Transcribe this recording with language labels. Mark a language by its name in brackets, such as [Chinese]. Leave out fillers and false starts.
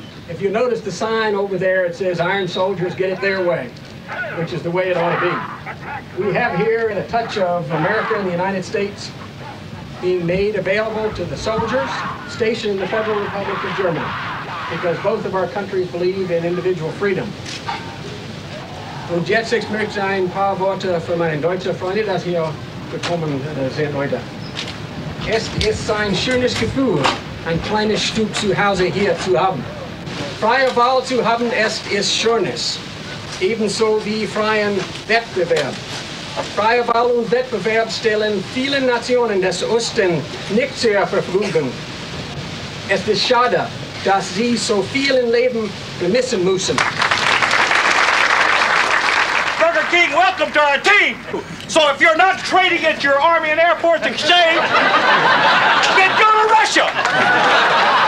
[English] If you notice the sign over there, it says Iron Soldiers Get It Their Way, which is the way it ought to be. we have here in a touch of America and the United States being made available to the soldiers stationed in the Federal Republic of Germany, because both of our countries believe in individual freedom. [German] Und jetzt ich möchte ein paar Worte für meine deutsche Freunde, dass hier gekommen sind heute. Es ist ein schönes Gefühl, ein kleines Stück zu Hause hier zu haben. Freie Wahl zu haben, es ist schönes. Ebenso wie freien Wettbewerb. Freie Wahl und Wettbewerb stellen vielen Nationen des Osten nicht zur Verfügung. Es ist schade, dass sie so viel im Leben vermissen müssen. [English] Burger King, welcome to our team! So if you're not trading at your Army and Air Force exchange, then go to Russia!